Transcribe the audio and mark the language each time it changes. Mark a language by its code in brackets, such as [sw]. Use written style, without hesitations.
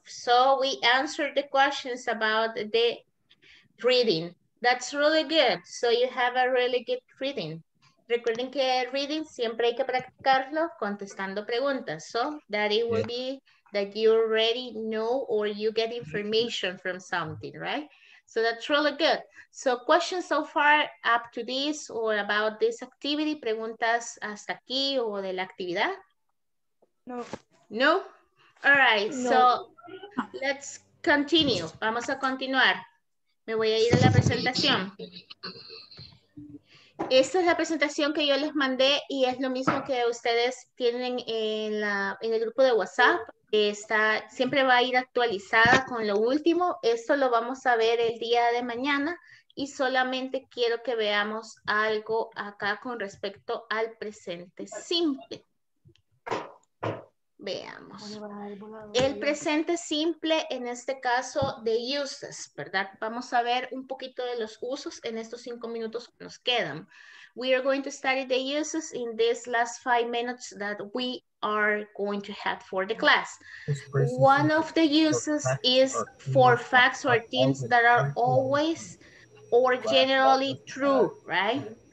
[en] So we answered the questions about the reading. That's really good. So you have a really good reading. [es] Recuerden que reading siempre hay que practicarlo contestando preguntas. [en] So that it will be that you already know or you get information from something, right? So that's really good. So questions so far up to this or about this activity, [es] preguntas hasta aquí o de la actividad? [en] No. No? All right. No. So let's continue. [es] Vamos a continuar. Me voy a ir a la presentación. Esta es la presentación que yo les mandé y es lo mismo que ustedes tienen en, la, en el grupo de WhatsApp. Está, siempre va a ir actualizada con lo último. Esto lo vamos a ver el día de mañana y solamente quiero que veamos algo acá con respecto al presente simple. Veamos. El presente simple en este caso de uses, ¿verdad? Vamos a ver un poquito de los usos en estos 5 minutos que nos quedan. [en] We are going to study the uses in this last 5 minutes that we are going to have for the class. One of the uses is for facts or things that are always or generally true, right?